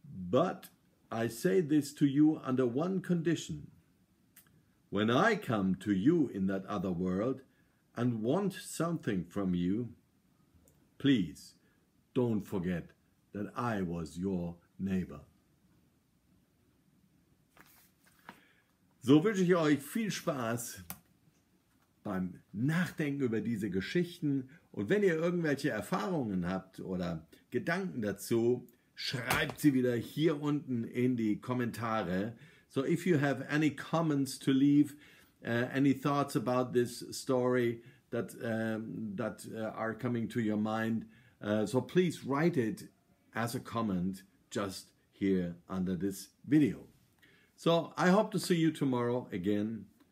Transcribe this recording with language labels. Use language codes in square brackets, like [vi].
[en] But I say this to you under one condition. When I come to you in that other world and want something from you, please don't forget that I was your neighbor." [de] So wünsche ich euch viel Spaß beim Nachdenken über diese Geschichten. Und wenn ihr irgendwelche Erfahrungen habt oder Gedanken dazu, schreibt sie wieder hier unten in die Kommentare. [en] So if you have any comments to leave, any thoughts about this story that are coming to your mind, so please write it as a comment just here under this video. So, I hope to see you tomorrow again.